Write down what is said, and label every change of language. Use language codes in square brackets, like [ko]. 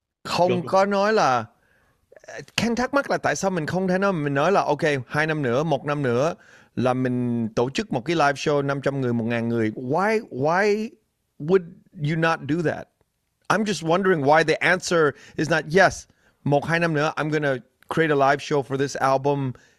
[vi] không có nói là Ken thắc mắc là tại sao mình không thể nói mình nói là ok, 2 năm nữa, 1 năm nữa là mình tổ chức một cái live show 500 người, 1.000 người. [en] Why would you not do that? I'm just wondering why the answer is not yes. [vi] 1-2 năm nữa, [en] I'm gonna create a live show for this album.